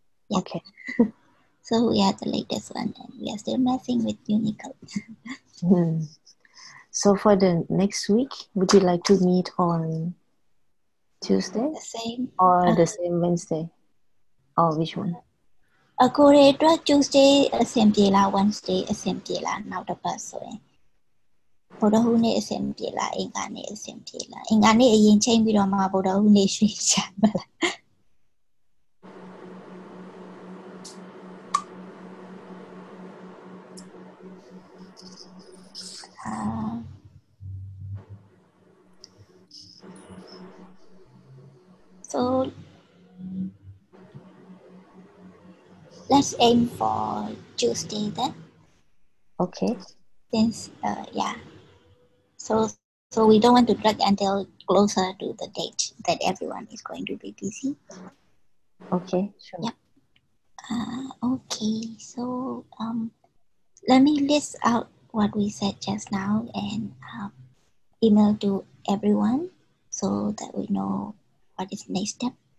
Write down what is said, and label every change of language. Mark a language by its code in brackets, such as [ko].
[en] Yeah. Okay. So we are the latest one and we are still messing with Unicode. So for the next week, would you like to meet on Tuesday? The same. Or the same Wednesday? Or which one? [my] အကိုရေအတွက် Tuesday အဆင်ပြေလား Wednesday အဆင်ပြေလားနောက်တစ်ပတ်ဆိုရင် ဘုဒ္ဓဟူးနေ့အဆင်ပြေလားအင်္ဂါနေ့အဆင်ပြေလားအင်္ဂါနေ့အရင်ချိန်ပြီးတော့မှဘုဒ္ဓဟူးနေ့ရွှေ့ချမလားဘုဒ္ဓဟူးနေ့ရွှေ့ချမလား [en] So let's aim for Tuesday then. Okay. Since yeah. So we don't want to drag until closer to the date that everyone is going to be busy. Okay, sure. Yep. Okay. So let me list out what we said just now and email to everyone so that we know what is next step.